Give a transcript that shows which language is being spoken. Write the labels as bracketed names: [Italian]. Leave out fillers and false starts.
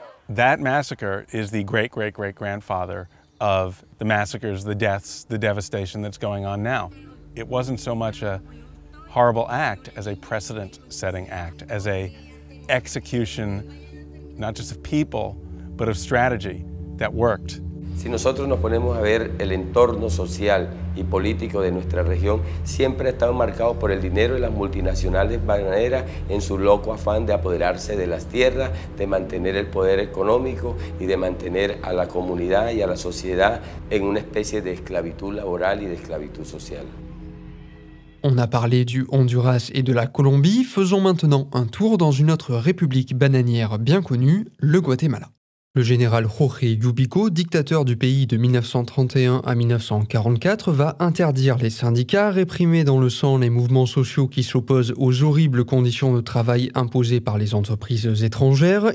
[English] That massacre is the great-great-great-grandfather of the massacres, the deaths, the devastation that's going on now. It wasn't so much a horrible act as a precedent-setting act, as a execution, not just of people, but of strategy that worked. [Spanish] Si nosotros nos ponemos a ver el entorno social y político de nuestra región, siempre ha estado marcado por el dinero de las multinacionales bananeras en su loco afán de apoderarse de las tierras, de mantener el poder económico y de mantener a la comunidad y a la sociedad en una especie de esclavitud laboral y de esclavitud social. [French] On a parlé du Honduras et de la Colombie, faisons maintenant un tour dans une autre république bananière bien connue, le Guatemala. Le général Jorge Yubico, dictateur du pays de 1931 à 1944, va interdire les syndicats, réprimer dans le sang les mouvements sociaux qui s'opposent aux horribles conditions de travail imposées par les entreprises étrangères.